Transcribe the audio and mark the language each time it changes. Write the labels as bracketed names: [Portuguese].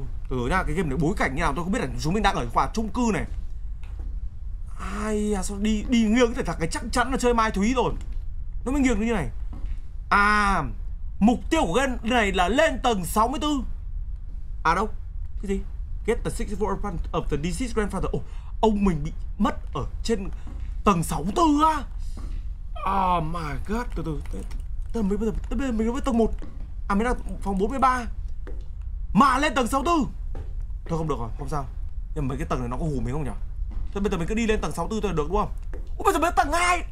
[Vietnamese] Từ nha, cái game này bối cảnh như nào tôi không biết là chúng mình đang ở khoảng chung cư này. Ai à, sao đi đi nghiêng cái thằng cái chắc chắn là chơi Mai Thúy rồi. Nó mới nghiêng như này. À, mục tiêu của game này là lên tầng 64. À đâu? Cái gì? [English] Get the 64 apartment of the deceased grandfather. [Vietnamese] Ồ, ông mình bị mất ở trên tầng 64 á. [English] Oh my god, [Vietnamese] từ từ. Mình mới tầng 1. À mình đang phòng 43. Mà lên tầng 64. Thôi không được rồi, không sao. Nhưng mà mấy cái tầng này nó có hù mình không nhỉ? Thôi bây giờ mình cứ đi lên tầng 64 thôi được đúng không? Ủa bây giờ mới tầng 2.